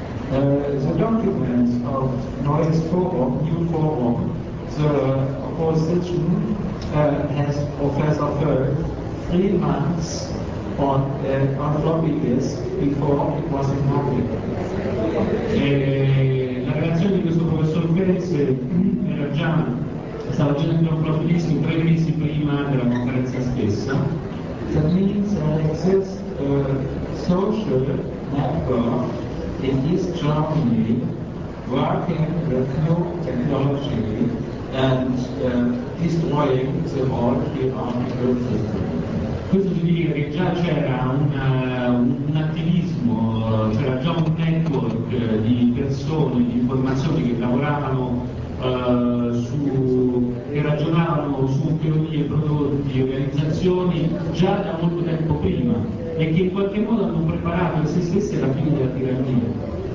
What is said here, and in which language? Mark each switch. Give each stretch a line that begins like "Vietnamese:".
English: The documents of Neues Forum, New Forum, the opposition has Professor Hoeg 3 months on floppy disk before it was in market.
Italian: La relazione di questo professor Perez era già, stava già dentro un floppy disk 3 mesi prima della conferenza stessa.
English: That means there exists a social network in East Germany working with new technology and destroying the old hierarchical system.
Italian: Questo significa che già c'era un attivismo, c'era già un network di persone, di informazioni che lavoravano su e ragionavano su teorie, prodotti, organizzazioni già da molto tempo prima e che in qualche modo hanno preparato se stessi alla fine della tirannia.